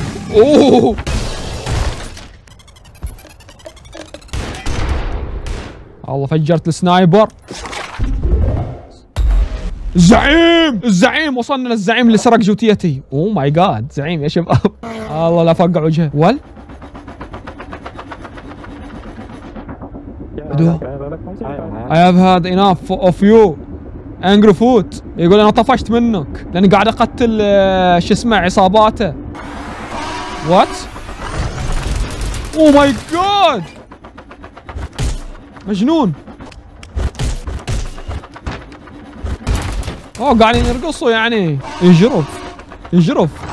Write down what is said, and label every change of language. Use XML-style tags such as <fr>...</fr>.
<ar>اوه والله فجرت السنايبر. زعيم الزعيم، وصلنا للزعيم اللي سرق جوتيتي.</ar> <en>oh my God</en> <ar>زعيم يا شباب. الله لا فقع وجهه.</ar> <en>ول I have had enough of you angry foot.</en> <ar>يقول انا طفشت منك لاني قاعد اقتل شو اسمه عصاباته.</ar> <en>What? Oh my god!</en> <ar>مجنون. اوه قاعدين يرقصوا يعني. يجرف يجرف.</ar>